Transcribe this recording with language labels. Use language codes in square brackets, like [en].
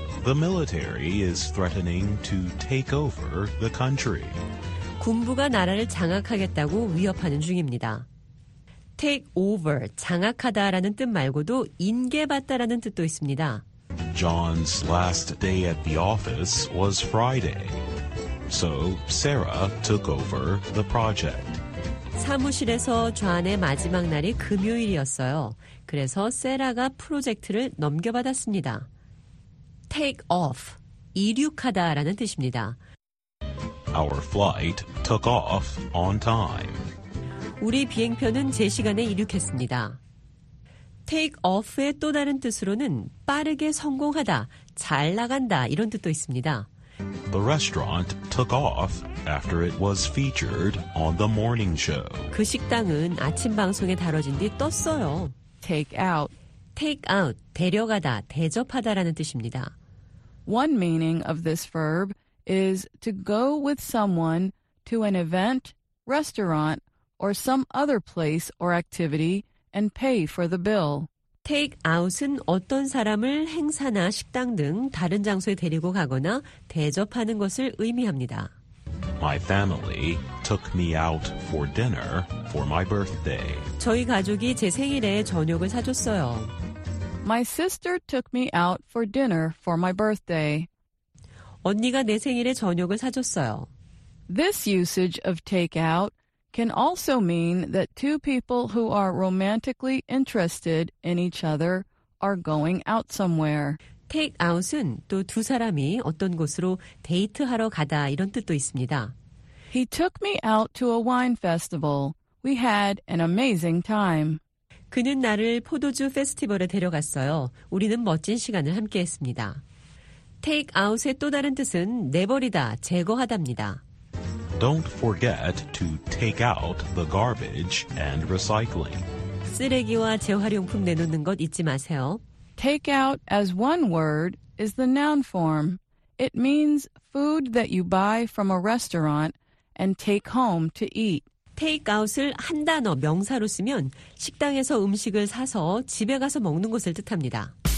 [en] The military is threatening to take over the country. [ko] 군부가 나라를 장악하겠다고 위협하는 중입니다. Take over, 장악하다라는 뜻 말고도 인계받다라는 뜻도 있습니다. [en] John's last day at the office was Friday. So Sarah took over the project. [ko] 사무실에서 존의 마지막 날이 금요일이었어요. 그래서 세라가 프로젝트를 넘겨받았습니다. Take off, 이륙하다라는 뜻입니다. [en] Our flight took off on time. [ko] 우리 비행편은 제 시간에 이륙했습니다. Take off의 또 다른 뜻으로는 빠르게 성공하다, 잘 나간다 이런 뜻도 있습니다. [en] The restaurant took off after it was featured on the morning show. [ko] 그 식당은 아침 방송에 다뤄진 뒤 떴어요. [en] Take out, [ko] 데려가다, 대접하다라는 뜻입니다. [en] One meaning of this verb is to go with someone to an event, restaurant, or some other place or activity and pay for the bill. [ko] Take out은 어떤 사람을 행사나 식당 등 다른 장소에 데리고 가거나 대접하는 것을 의미합니다. [en] My family took me out for dinner for my birthday. [ko] 저희 가족이 제 생일에 저녁을 사줬어요. [en] My sister took me out for dinner for my birthday. [ko] 언니가 내 생일에 저녁을 사줬어요. [en] This usage of take out can also mean that two people who are romantically interested in each other are going out somewhere. [ko] Take out은 또 두 사람이 어떤 곳으로 데이트하러 가다 이런 뜻도 있습니다. He took me out to a wine festival. We had an amazing time. 그는 나를 포도주 페스티벌에 데려갔어요. 우리는 멋진 시간을 함께했습니다. Take out의 또 다른 뜻은 내버리다, 제거하답니다. [en] Don't forget to take out the garbage and recycling. [ko] 쓰레기와 재활용품 내놓는 것 잊지 마세요. [en] Take out as one word is the noun form. It means food that you buy from a restaurant and take home to eat. [ko] Take out을 한 단어 명사로 쓰면 식당에서 음식을 사서 집에 가서 먹는 것을 뜻합니다.